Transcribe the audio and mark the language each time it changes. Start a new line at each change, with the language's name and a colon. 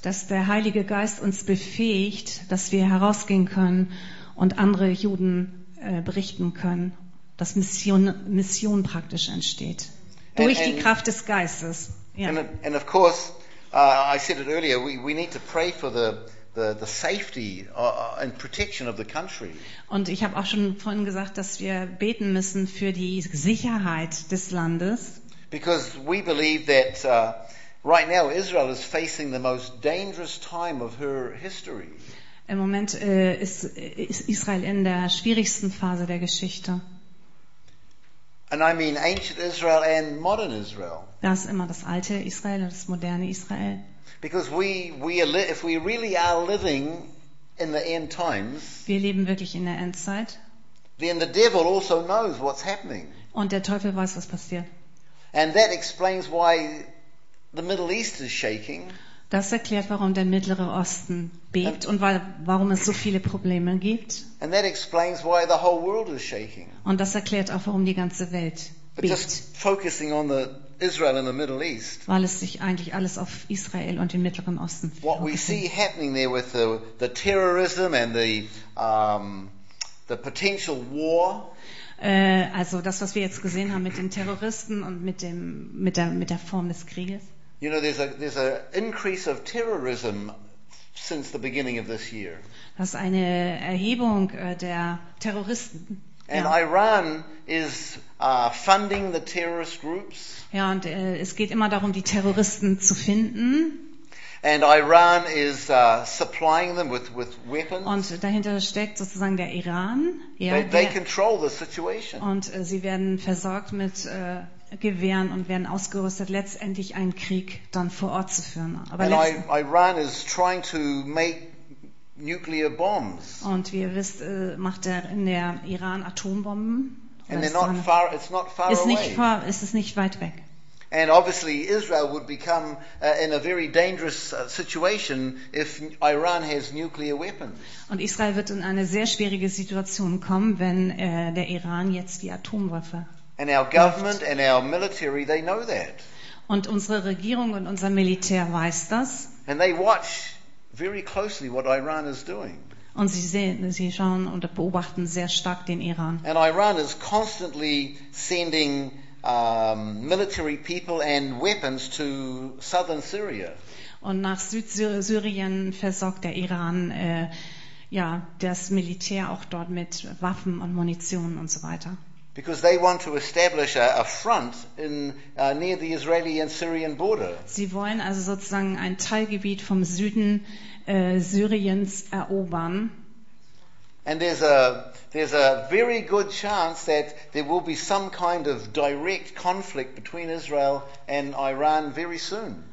German: Dass der Heilige Geist uns befähigt, dass wir herausgehen können und andere Juden berichten können, dass Mission praktisch entsteht durch die Kraft des Geistes. Ja.
English: And of course, I said it earlier, we need to pray for the the safety and protection of the country.
German: Und ich habe auch schon vorhin gesagt, dass wir beten müssen für die Sicherheit des Landes.
English: Because we believe that right now Israel is facing the most dangerous time of her history.
German: Im Moment ist Israel in der schwierigsten Phase der Geschichte.
English: And I mean ancient Israel and modern Israel.
German: Das ist immer das alte Israel und das moderne Israel.
English: Because if we really are living in the end times.
German: Wir leben wirklich in der Endzeit.
English: Then the devil also knows what's happening.
German: Und der Teufel weiß, was passiert.
English: And that explains why the Middle East is shaking.
German: Das erklärt, warum der Mittlere Osten bebt und warum es so viele Probleme gibt.
English: And that explains why the whole world is shaking.
German: Und das erklärt auch, warum die ganze Welt bebt.
English: But just focusing on the Israel and the Middle East.
German: Weil es sich eigentlich alles auf Israel und den Mittleren Osten fokussiert.
English: What we see happening there with the terrorism and the potential war.
German: Also das, was wir jetzt gesehen haben mit den Terroristen und mit der Form des Krieges.
English: You know, there's a increase of terrorism since the beginning of this year.
German: Das ist eine Erhebung der Terroristen.
English: And
German: ja.
English: Iran is funding the terrorist groups.
German: Ja, und es geht immer darum, die Terroristen zu finden.
English: And Iran is supplying them with weapons.
German: Und dahinter steckt sozusagen der Iran. Ja,
English: they control the situation.
German: Und sie werden versorgt mit Gewehren und werden ausgerüstet, letztendlich einen Krieg dann vor Ort zu führen. Aber
English: Iran is trying to make nuclear bombs.
German: Und wie ihr wisst, macht der Iran Atombomben.
English: And they're not far. It's not far away.
German: Ist es nicht weit weg.
English: And obviously Israel would become in a very dangerous situation if Iran has nuclear weapons.
German: Und Israel wird in eine sehr schwierige Situation kommen, wenn der Iran jetzt die Atomwaffe.
English: And our government and our military, they know that.
German: Und unsere Regierung und unser Militär weiß das.
English: And they watch very closely what Iran is doing.
German: Und sie schauen und beobachten sehr stark den Iran.
English: And Iran is constantly sending military people and weapons to southern Syria.
German: Und nach Südsyrien versorgt der Iran das Militär auch dort mit Waffen und Munition und so weiter.
English: Because they want to establish a front in near the Israeli and Syrian border.
German: Sie wollen also sozusagen ein Teilgebiet vom Süden Syriens erobern.
English: And there's a very good chance that there will be some kind of direct conflict between Israel and Iran very soon.